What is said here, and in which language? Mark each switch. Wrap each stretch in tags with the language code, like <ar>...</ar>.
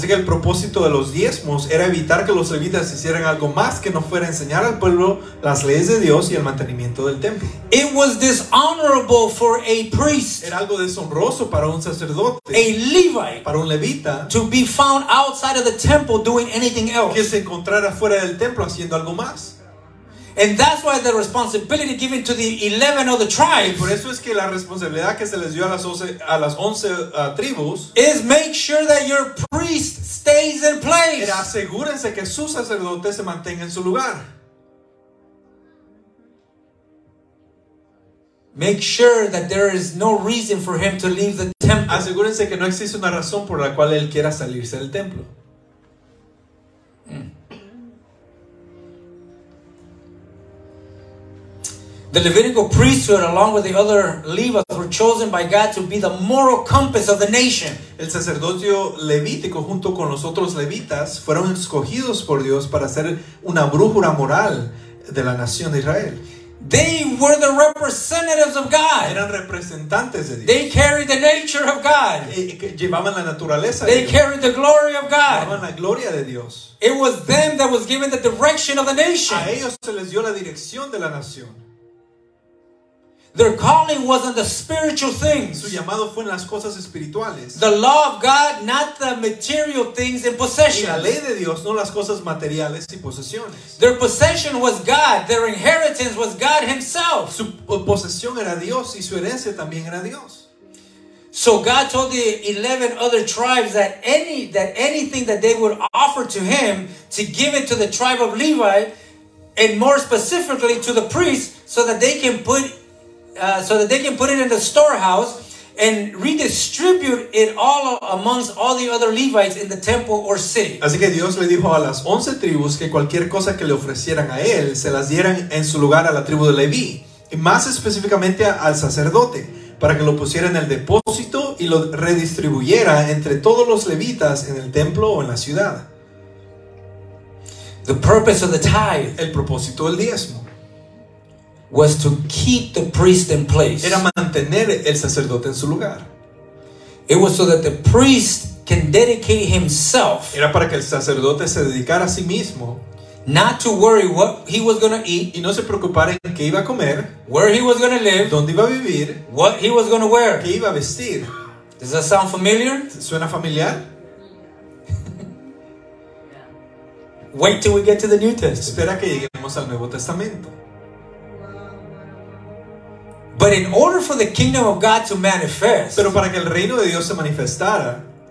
<es>Así que el propósito de los diezmos era evitar que los levitas hicieran algo más que no fuera enseñar al pueblo las leyes de Dios y el mantenimiento del templo.</es> <en>It was dishonorable for a priest.</en> <es>Era algo deshonroso para un sacerdote.</es> <en>A Levite.</en> <es>Para un levita.</es> <en>To be found outside of the temple doing anything else.</en> <es>Que se encontrara fuera del templo haciendo algo más.</es> <en>And that's why the responsibility given to the 11 other tribes.</en> <es>Por eso es que la responsabilidad que se les dio a las 11 tribus</es> <en>is make sure that your priest stays in place.</en> <es>Era asegúrense que su sacerdote se mantenga en su lugar.</es> <en>Make sure that there is no reason for him to leave the temple.</en> <es>Asegúrense que no existe una razón por la cual él quiera salirse del templo.</es> <en>The Levitical priesthood, along with the other Levites, were chosen by God to be the moral compass of the nation.</en> <es>El sacerdocio levítico junto con los otros levitas fueron escogidos por Dios para ser una brújula moral de la nación de Israel.</es> <en>They were the representatives of God.</en> <es>Eran representantes de Dios.</es> <en>They carried the nature of God.</en> <es>Llevaban la naturaleza.</es> <en>They carried the glory of God.</en> <es>Llevaban la gloria de Dios.</es> <en>It was them that was given the direction of the nation.</en> <es>A ellos se les dio la dirección de la nación.</es> <en>Their calling was on the spiritual things.</en> <es>Su llamado fue en las cosas espirituales.</es> <en>The law of God, not the material things and possessions.</en> <es>Y la ley de Dios, no las cosas materiales y posesiones.</es> <en>Their possession was God. Their inheritance was God himself. himself.</en> <es>Su posesión era Dios y su herencia también era Dios.</es> <en>So God told the 11 other tribes that anything that they would offer to him, to give it to the tribe of Levi, and more specifically to the priests, so that they can put it in the storehouse and redistribute it all amongst all the other Levites in the temple or city.</en> <es>Así que Dios le dijo a las 11 tribus que cualquier cosa que le ofrecieran a él se las dieran en su lugar a la tribu de Leví, y más específicamente al sacerdote, para que lo pusiera en el depósito y lo redistribuyera entre todos los levitas en el templo o en la ciudad.</es> <en>The purpose of the tithe,</en> <es>el propósito del diezmo,</es> <en>was to keep the priest in place.</en> <es>Era mantener el sacerdote en su lugar.</es> <en>It was so that the priest can dedicate himself.</en> <es>Era para que el sacerdote se dedicara a sí mismo.</es> <en>Not to worry what he was going to eat.</en> <es>Y no se preocupara en qué iba a comer.</es> <en>Where he was going to live.</en> <es>Dónde iba a vivir.</es> <en>What he was going to wear.</en> <es>Qué iba a vestir.</es> <en>Does that sound familiar?</en> <es>¿Suena familiar?</es> <en>Wait till we get to the New Testament.</en> <es>Espera que lleguemos al Nuevo Testamento.</es> <en>But in order for the kingdom of God to manifest.</en> <es>Pero para que el reino de Dios se manifestara.</es>